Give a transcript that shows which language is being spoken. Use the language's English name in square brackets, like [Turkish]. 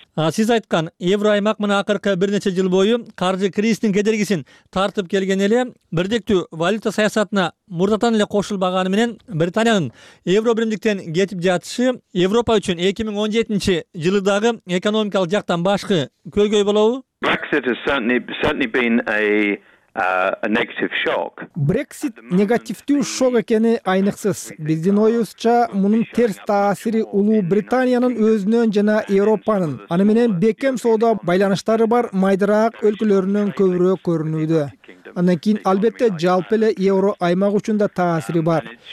[Kyrgyz] Сиз айткан, Евро аймак мына акыркы бир нече жыл бою каржы кризистин кедергисин тартып келген эле, бирдиктүү валюта саясатына мурдатан эле кошулбаганы менен Британиянын Евро биримдиктен кетип жатышы Европа үчүн 2017 жылыдагы экономикалык жактан башкы көйгөй болобу? [English] Brexit has certainly been a negative shock. [Kyrgyz] Brexit негативдүү шок экени айныксыз. Биздин оюбузча мунун терс таасири Улуу Британиянын өзүнөн жана Европанын аны менен бекем соода байланыштары бар майдыраак өлкөлөрүнөн көбүрөөк көрүнүүдө. Андан кийин албетте жалпы эле Евро аймак үчүн да таасири бар.